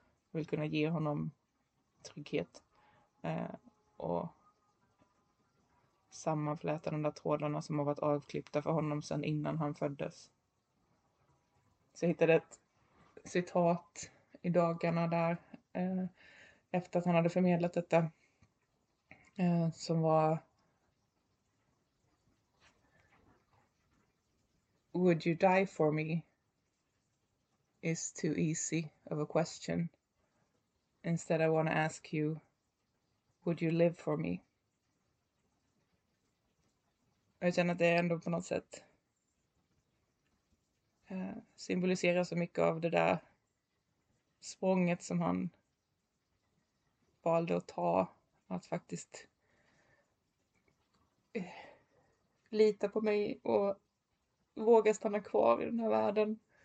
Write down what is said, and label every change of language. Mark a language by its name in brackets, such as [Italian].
[Swedish] Jag vill kunna ge honom trygghet. Och sammanfläta de där trådarna som har varit avklippta för honom sedan innan han föddes. Så jag hittade ett citat i dagarna där. Efter att han hade förmedlat detta. Som var: [English] "Would you die for me is too easy of a question. Instead I want to ask you, would you live for me?" [Swedish] Jag känner att det ändå på något sätt symboliserar så mycket av det där språnget som han valde att ta. Att faktiskt lita på mig och våga stanna kvar i den här världen.